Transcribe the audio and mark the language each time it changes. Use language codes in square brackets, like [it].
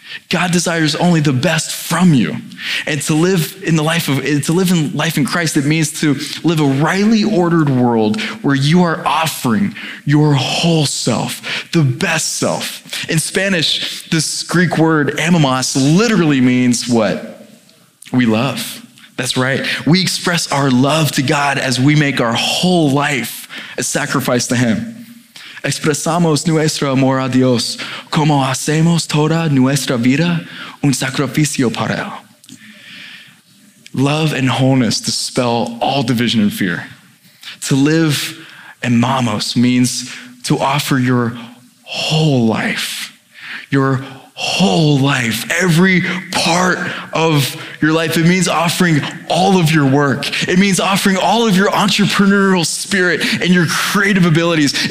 [en] God desires only the best from you. And to live in the life of, to live in life in Christ, it means to live a rightly ordered world where you are offering your whole self, the best self. In Spanish, this Greek word amamos literally means what? We love. That's right. We express our love to God as we make our whole life a sacrifice to Him. [es] Expresamos nuestro amor a Dios como hacemos toda nuestra vida un sacrificio para Él. [en] Love and wholeness dispel all division and fear. To live amamos means to offer your whole life, your whole life, every part of your life. It means offering all of your work. It means offering all of your entrepreneurial spirit and your creative abilities.